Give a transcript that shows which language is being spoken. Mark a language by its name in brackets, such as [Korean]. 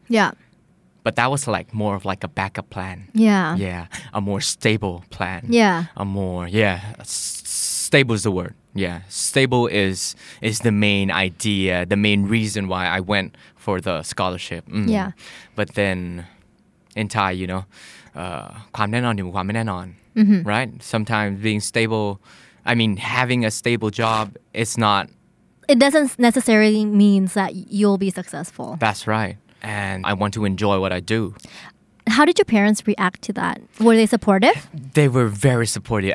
[English] Yeah. But that was like more of like a backup plan. Yeah. Yeah. A more stable plan. Yeah. Stable is the word. Yeah. Stable is the main idea, the main reason why I went for the scholarship. Mm. Yeah. But then in Thai, you know, [Thai] ความแน่นอนอยู่ความไม่แน่นอน. [English] Mm-hmm. Right? Sometimes being stable, I mean, having a stable job, it's not. It doesn't necessarily mean that you'll be successful. That's right. And I want to enjoy what I do. How did your parents react to that? Were they supportive? They were very supportive.